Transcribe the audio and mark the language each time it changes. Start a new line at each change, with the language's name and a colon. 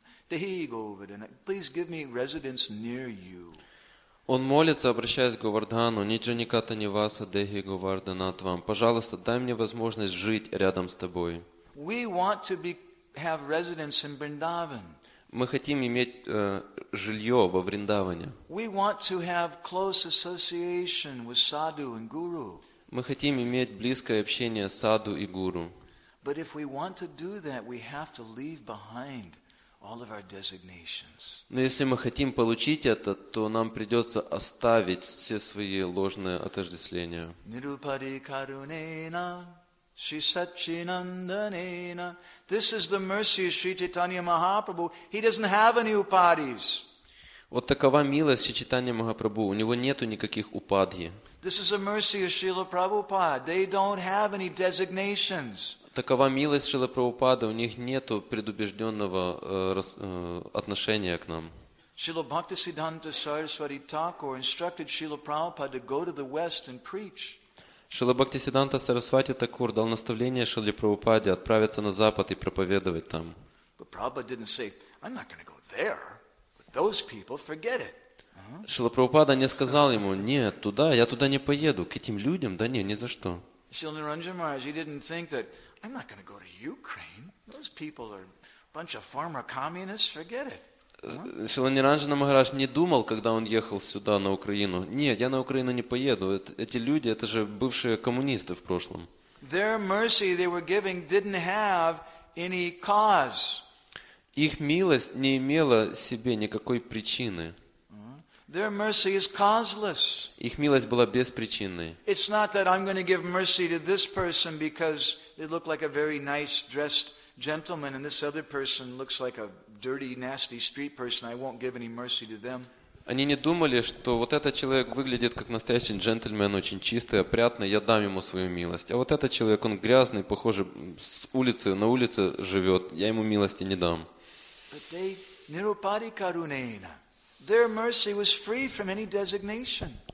English: Dehi Govardhanat, please give me residence near you.
Russian: Он молится, обращаясь к Говардхану, Ниджаниката Ниваса Дехи Говарданатвам. Пожалуйста, дай мне возможность жить рядом с тобой.
English: We want to be, have residence in Vrindavan.
Russian: Мы хотим иметь жилье во Вриндаване.
English: We want to have close association with Sadhu and Guru.
Russian: Мы хотим иметь близкое общение с Саду и Гуру.
English: But if we want to do that, we have to leave behind all of our designations.
Russian: Но если мы хотим получить это, то нам придется оставить все свои ложные отождествления.
Sanskrit: Nirupadi karunena, Sri Satchinandanena.
English: This is the mercy of Sri Chaitanya Mahaprabhu. He doesn't have any upadhis.
Russian: Вот такова милость Sri Chaitanya Mahaprabhu. У него нету никаких упадхи.
English: This is the mercy of Srila Prabhupada. They don't have any designations.
Russian: Такова милость Шрилы Прабхупады, у них нет предубежденного отношения к нам. Шрила Бхактисиддханта Сарасвати Такур инструктировал Шрилу Прабхупаду идти в Восток и проповедовать. Шрила Бхактисиддханта Сарасвати Такур дал наставление Шриле Прабхупаде отправиться на Запад и проповедовать там. Но Прабхупада не сказал, я не буду идти туда, с этими людьми, забудьте об этом. Шрила Прабхупада не сказал ему, нет, туда, я туда не поеду, к этим людям, да нет, ни за что. Шрила Наранджан Махарадж, он не думал, что
English: I'm not going to go to Ukraine. Those people are a bunch of former communists. Forget it.
Russian: Шрила Ниранджана Махарадж не думал, когда он ехал сюда на Украину. Нет, я на Украину не поеду. Эти люди, это же бывшие коммунисты в прошлом.
English: Their mercy they were giving didn't have any cause.
Russian: Их милость не имела себе никакой причины.
English: Their mercy is causeless.
Russian: Их милость была беспричинной.
English: It's not that I'm going to give mercy to this person because they look like a very nice dressed gentleman and this other person looks like a dirty nasty street person. I won't give any mercy to them.
Russian: Они не думали, что вот этот человек выглядит как настоящий джентльмен, очень чистый, опрятный, я дам ему свою милость. А вот этот человек, он грязный, похоже, с улицы на улице живёт. Я ему милости не дам.
English: But they nirupadi karuneena. Their mercy was free from any designation.